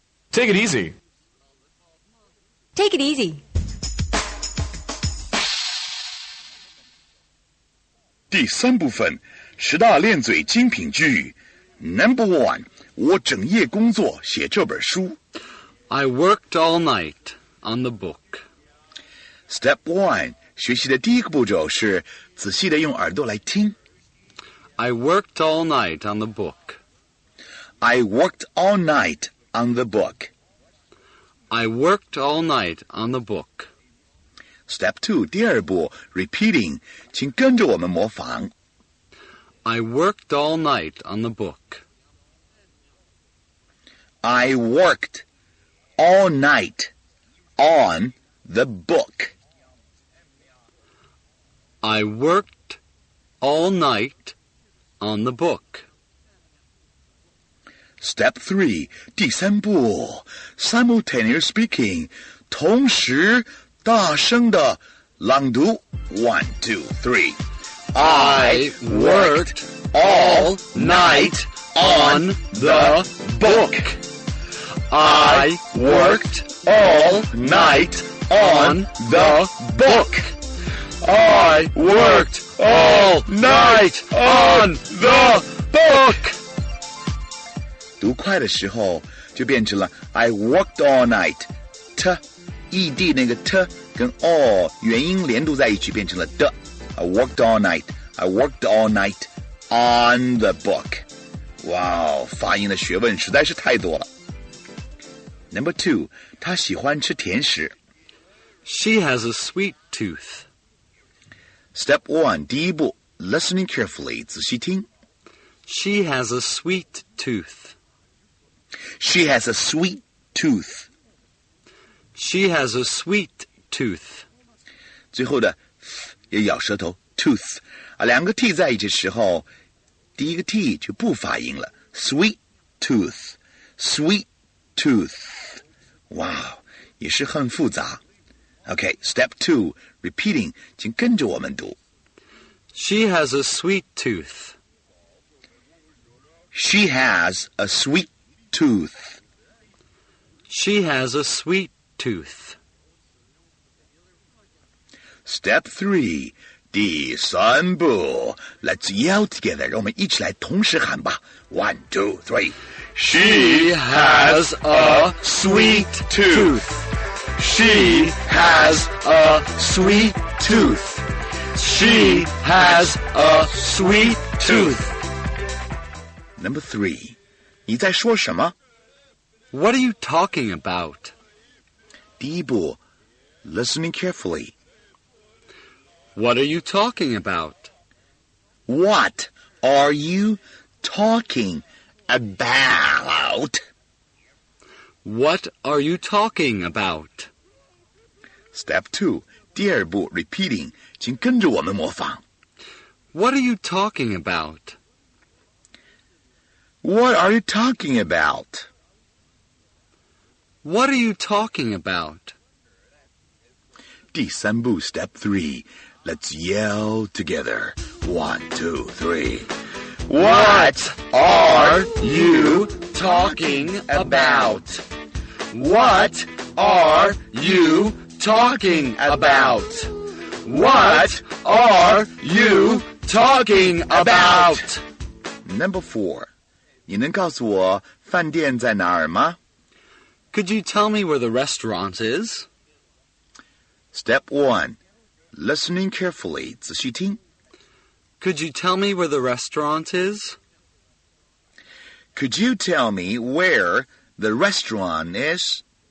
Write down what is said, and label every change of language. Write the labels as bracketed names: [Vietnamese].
[English] Take it easy. Take it easy. [Chinese] 第三部分，十大练嘴精品句 [English] Number one, [Chinese] 我整夜工作写这本书 [English] I worked all night on the book. Step one, [Chinese] 学习的第一个步骤是仔细的用耳朵来听。 [English] I worked all night on the book. I worked all night on the book. I worked all night on the book. Step two, [Chinese] 第二步 [English] repeating, [Chinese] 请跟着我们模仿。 [English] I worked all night on the book. I worked all night on the book. I worked all night on the book. Step three, [Chinese] 第三步 [English] simultaneous speaking, [Chinese] 同时大声的朗读 [English] One, two, three. I worked all night on the book. I worked all night on the book. I worked all night on the book. [Chinese] 读快的时候就变成了 [English] I worked all night. T. [Chinese] ED 那个 T 跟 all 元音连读在一起变成了 D [English] I worked all night I worked all night on the book [Chinese] 哇、wow, 发音的学问实在是太多了 [English] Number two [Chinese] 她喜欢吃甜食 [English] She has a sweet tooth Step one [Chinese] 第一步 [English] Listening carefully [Chinese] 仔细听 [English] She has a sweet tooth She has a sweet tooth She has a sweet tooth. [Chinese] 最后的 th 也咬舌头 tooth 啊，两个 t 在一起的时候，第一个 t 就不发音了 [English] sweet tooth, sweet tooth. [Chinese] Wow, 也是很复杂。 [English] Okay, step two, repeating, [Chinese] 请跟着我们读。 [English] She has a sweet tooth. She has a sweet tooth. She has a sweet. Tooth. Step three, [Chinese] 第三步 [English] Let's yell together. [Chinese] 让我们一起来同时喊吧 [English] One, two, three. She has a sweet tooth. She has a sweet tooth. She has a sweet tooth. Number three, [Chinese] 你在说什么 [English] What are you talking about? [Chinese] 第一步 [English] listening carefully. What are you talking about? What are you talking about? What are you talking about? Step two, [Chinese] 第二步 [English] repeating, [Chinese] 请跟着我们模仿。 [English] What are you talking about? What are you talking about? What are you talking about? [Chinese] 第三步 [English] step three, let's yell together. One, two, three. What are you talking about? What are you talking about? What are you talking about? Number 4. [Chinese] 你能告诉我饭店在哪儿吗? [English] Could you tell me where the restaurant is? Step 1. Listening carefully. [Chinese] 仔细听。 [English] Could you tell me where the restaurant is? Could you tell me where the restaurant is?